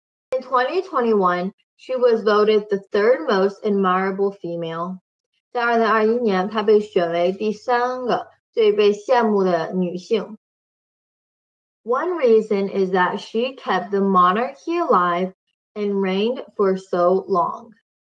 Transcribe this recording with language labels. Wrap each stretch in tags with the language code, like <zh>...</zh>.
<en>In 2021, she was voted the third most admirable female.</en> <zh>在2021年，她被选为第三个最被羡慕的女性。</zh> <en>One reason is that she kept the monarchy alive and reigned for so long.</en>